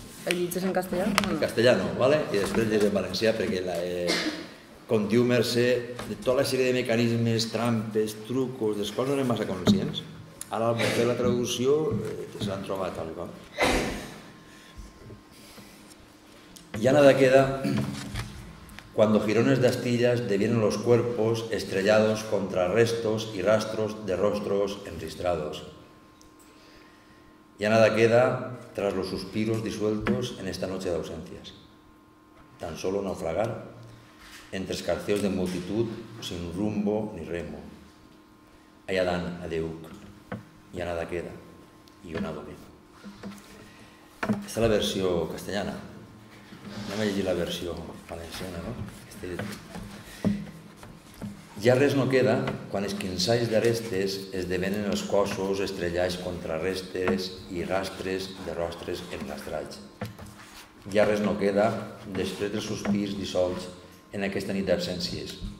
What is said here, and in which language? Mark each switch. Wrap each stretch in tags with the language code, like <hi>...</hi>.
<ca>El llegis en castellà? En castellà, no, vale? I després llegis en valencià, perquè com diu Mercè, de tota la sèrie de mecanismes, trampes, trucos, dels quals no anem massa conscients, ara al fer la traducció se l'han trobat tal com.</ca> <es>Ya nada queda cuando jirones de astillas devienen los cuerpos estrellados contra restos y rastros de rostros enristrados. Ya nada queda tras los suspiros disueltos en esta noche de ausencias. Tan solo naufragar entre escarceos de multitud sin rumbo ni remo. Allá dan a Deuc. Ya nada queda. Y un adobe. Esta es la versión castellana.</es> <ca>No me llegí la versió valenciana, no? Ja res no queda quan esquinçalls d'arestes esdevenen els cossos estrellats contra restes i rastres de rostres enrastrats. Ja res no queda després dels sospirs dissolts en aquesta nit d'absències.</ca>